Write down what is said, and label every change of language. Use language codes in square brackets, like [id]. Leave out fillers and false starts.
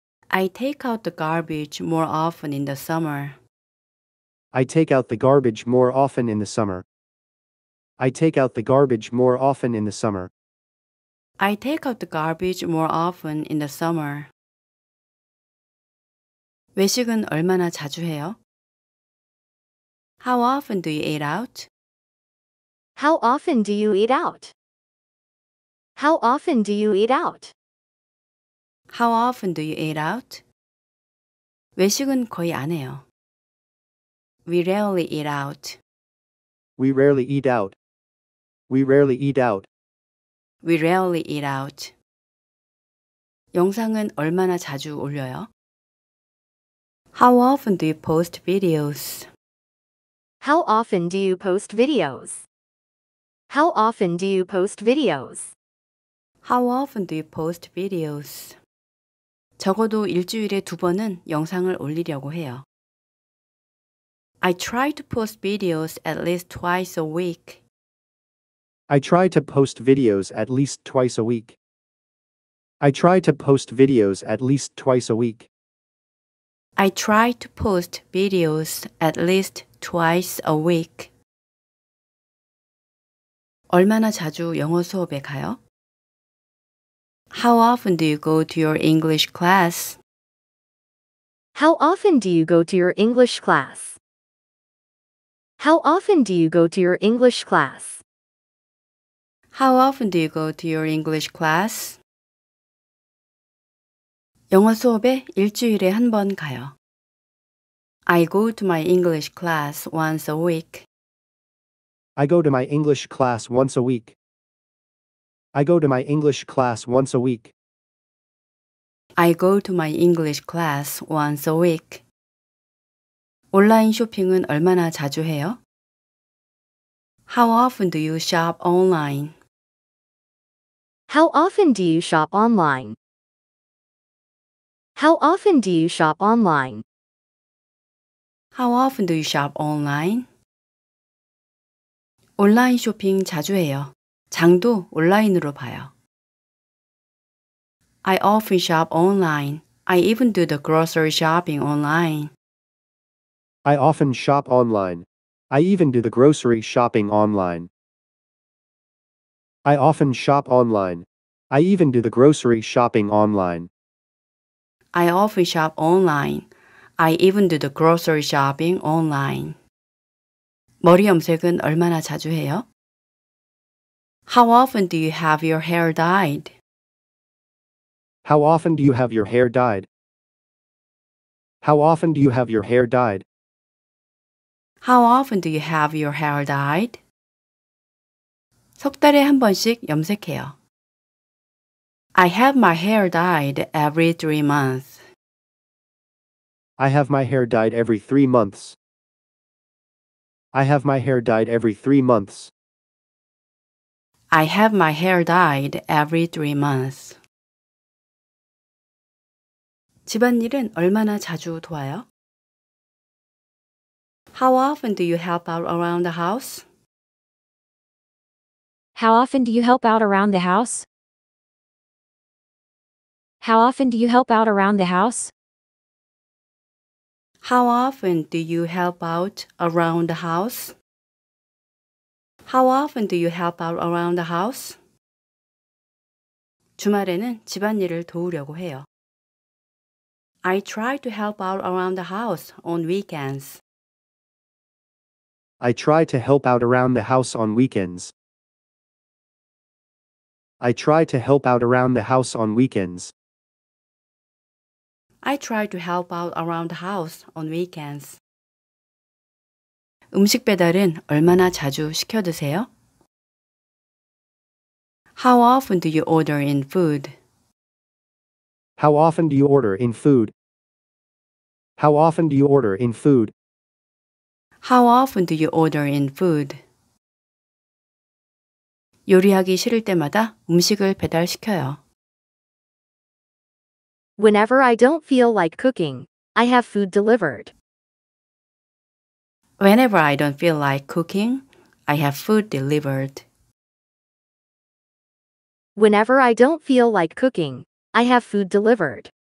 [en] I take out the garbage more often in the summer. I take out the garbage more often in the summer. I take out the garbage more often in the summer. I take out the garbage more often in the summer. [ko] 외식은 얼마나 자주 해요? [en] How often do you eat out? How often do you eat out? How often do you eat out? How often do you eat out? [ko] 외식은 거의 안 해요. [en] We rarely eat out. We rarely eat out. We rarely eat out. We rarely eat out. [ko] 영상은 얼마나 자주 올려요? [en] How often do you post videos? How often do you post videos? How often do you post videos? How often do you post videos? [ko] 적어도 일주일에 두 번은 영상을 올리려고 해요. [en] I try to post videos at least twice a week. I try to post videos at least twice a week. I try to post videos at least twice a week. I try to post videos at least twice a week. [ko] 얼마나 자주 영어 수업에 가요? [en] How often do you go to your English class? How often do you go to your English class? How often do you go to your English class? How often do you go to your English class? [ko] 영어 수업에 일주일에 한 번 가요. [en] I go to my English class once a week. I go to my English class once a week. I go to my English class once a week. I go to my English class once a week. [ko] 온라인 쇼핑은 얼마나 자주 해요? [en] How often do you shop online? How often do you shop online? How often do you shop online? How often do you shop online? [ko] 온라인 쇼핑 자주 해요. 장도 온라인으로 봐요. [en] I often shop online. I even do the grocery shopping online. I often shop online. I even do the grocery shopping online. I often shop online. I even do the grocery shopping online. I often shop online. I even do the grocery shopping online. [ko] 머리 염색은 얼마나 자주 해요? [en] How often do you have your hair dyed? How often do you have your hair dyed? How often do you have your hair dyed? How often do you have your hair dyed? [ko] 석 달에 한 번씩 염색해요. [en] I have my hair dyed every 3 months. I have my hair dyed every 3 months. I have my hair dyed every 3 months. I have my hair dyed every 3 months. [ko] 집안일은 얼마나 자주 도와요? [en] How often do you help out around the house? How often do you help out around the house? How often do you help out around the house? How often do you help out around the house? How often do you help out around the house? [ko] 주말에는 집안일을 도우려고 해요. [en] I try to help out around the house on weekends. I try to help out around the house on weekends. I try to help out around the house on weekends. I try to help out around the house on weekends. [ko] 음식 배달은 얼마나 자주 시켜 드세요? [en] How often do you order in food? How often do you order in food? How often do you order in food? How often do you order in food? [ko] 요리하기 싫을 때마다 음식을 배달시켜요. [en] Whenever I don't feel like cooking, I have food delivered. Whenever I don't feel like cooking, I have food delivered. Whenever I don't feel like cooking, I have food delivered.